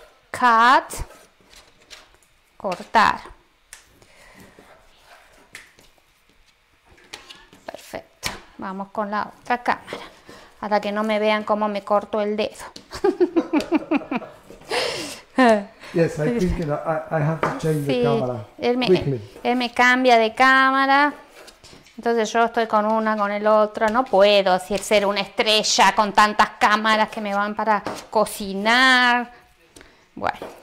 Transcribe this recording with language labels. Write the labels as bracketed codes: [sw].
[en] Cut, cortar. [es] Perfecto. Vamos con la otra cámara. Para que no me vean cómo me corto el dedo. [en] Yes, I think that I have to change [es] sí, [en] the camera. [es] Él me cambia de cámara. Entonces yo estoy con una, con el otro, no puedo así ser una estrella con tantas cámaras que me van para cocinar. Bueno.